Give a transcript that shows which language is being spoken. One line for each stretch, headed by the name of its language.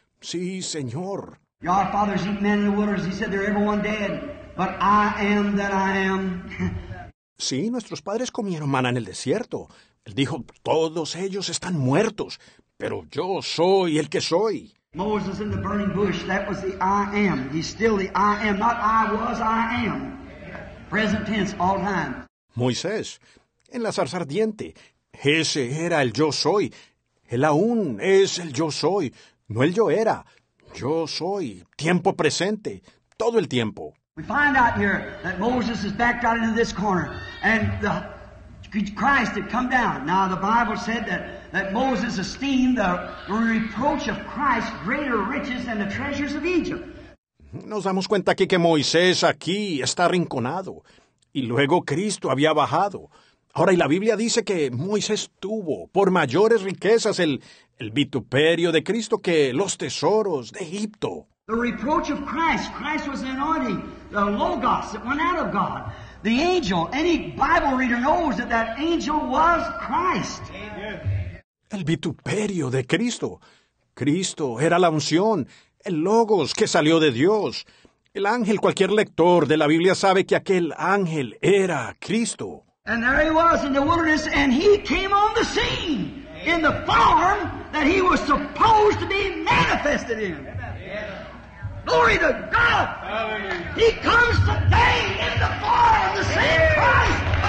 Spanish: Sí, Señor.
English: Your fathers eat men in the wilderness. He said they're everyone dead, but I am that I am.
Spanish: Sí, nuestros padres comieron maná en el desierto. Él dijo, todos ellos están muertos. Pero yo soy el que soy.
English: Moses in the burning bush, that was the I am. He's still the I am, not I was, I am. Present tense, all time.
Spanish: Moisés, en la zarza ardiente, ese era el yo soy. Él aún es el yo soy, no el yo era. Yo soy, tiempo presente, todo el tiempo.
English: We find out here that Moses is backed out into this corner, and the Christ had come down. Now the Bible said that Moses esteemed the reproach of Christ greater riches than the treasures of Egypt.
Spanish: Nos damos cuenta aquí que Moisés aquí está arrinconado y luego Cristo había bajado. Ahora, y la Biblia dice que Moisés tuvo por mayores riquezas el vituperio de Cristo que los tesoros de Egipto.
English: The reproach of Christ. Christ was the anointing, the logos that went out of God. The angel. Any Bible reader knows that angel was Christ.
Spanish: El vituperio de Cristo. Cristo era la unción, el logos que salió de Dios. El ángel, cualquier lector de la Biblia sabe que aquel ángel era Cristo.
English: And there he was in the wilderness, and he came on the scene in the form that he was supposed to be manifested in. Glory to God. Hallelujah. He comes today in the form of the same Christ.